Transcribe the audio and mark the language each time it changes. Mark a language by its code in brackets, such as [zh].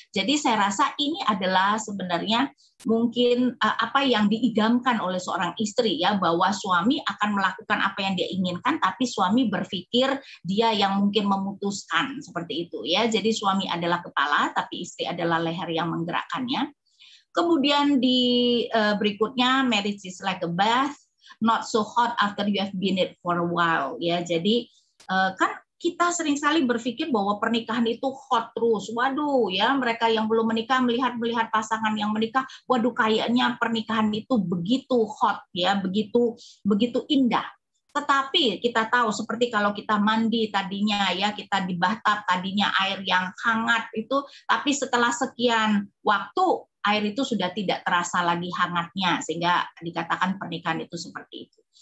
[id] Jadi saya rasa ini adalah sebenarnya mungkin apa yang diidamkan oleh seorang istri ya, bahwa suami akan melakukan apa yang dia inginkan, tapi suami berpikir dia yang mungkin memutuskan seperti itu ya. Jadi suami adalah kepala tapi istri adalah leher yang menggerakkannya. Kemudian di berikutnya, [en] marriage is like a bath, not so hot after you have been it for a while [id] ya. Jadi kan kita sering sekali berpikir bahwa pernikahan itu hot terus. Waduh ya, mereka yang belum menikah melihat pasangan yang menikah, waduh kayaknya pernikahan itu begitu hot ya, begitu begitu indah. Tetapi kita tahu seperti kalau kita mandi tadinya ya, kita di bathtub tadinya air yang hangat itu, tapi setelah sekian waktu air itu sudah tidak terasa lagi hangatnya, sehingga dikatakan pernikahan itu seperti itu.